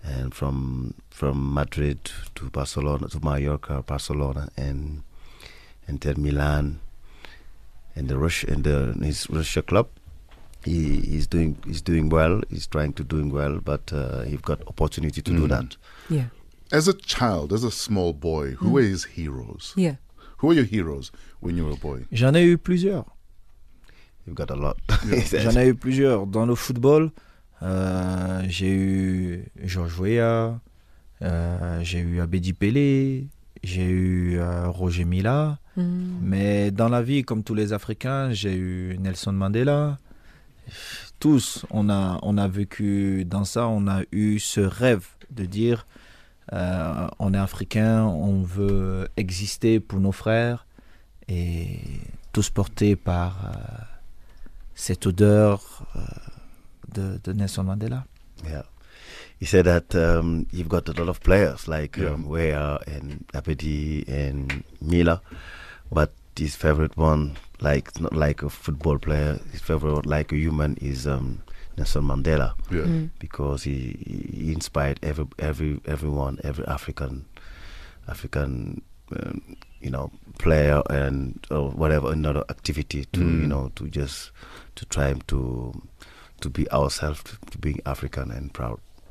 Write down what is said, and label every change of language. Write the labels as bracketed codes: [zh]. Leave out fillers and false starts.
[en] And from Madrid to Barcelona, to Mallorca, Barcelona, and then Milan, and his Russia club. He's trying to do well, but he've got opportunity to do that. Yeah. As a child, as a small boy, who were his heroes? Yeah. Who were your heroes when you were a boy? [fr] J'en ai eu plusieurs. [en] You've got a lot. [fr] J'en ai eu plusieurs. Dans le football, j'ai eu George Weah, J'ai eu Abedi Pelé, j'ai eu Roger Mila. Mm. Mais dans la vie, comme tous les Africains, j'ai eu Nelson Mandela. Tous, on a vécu dans ça, on a eu ce rêve de dire on est Africain, on veut exister pour nos frères. Et tous portés par cette odeur de Nelson Mandela. [en] Yeah. You said that you've got a lot of players like Weah and Abedi and Mila, but his favorite one, like not like a football player, his favorite one, like a human, is Nelson Mandela. Yeah. Mm. Because he inspired everyone, every African, you know, player and whatever another activity to you know, to just to try to be ourselves, to being African and proud.